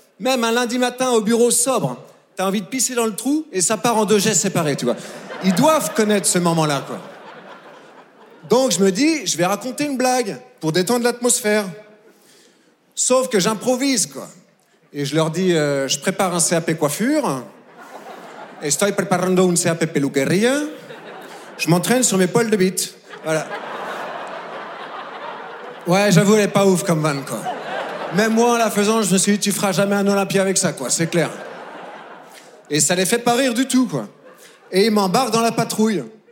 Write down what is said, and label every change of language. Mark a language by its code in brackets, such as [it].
[fr] Même un lundi matin au bureau sobre, t'as envie de pisser dans le trou et ça part en deux gestes séparés, tu vois. Ils doivent connaître ce moment-là, quoi. Donc je me dis, je vais raconter une blague pour détendre l'atmosphère. Sauf que j'improvise, quoi. Et je leur dis, je prépare un CAP coiffure. [es] Estoy preparando un CAP peluquería. [fr] Je m'entraîne sur mes poils de bite. Voilà. Ouais, j'avoue, elle est pas ouf comme vanne, quoi. Même moi, en la faisant, je me suis dit, tu feras jamais un Olympia avec ça, quoi, c'est clair. Et ça les fait pas rire du tout, quoi. Et ils m'embarquent dans la patrouille.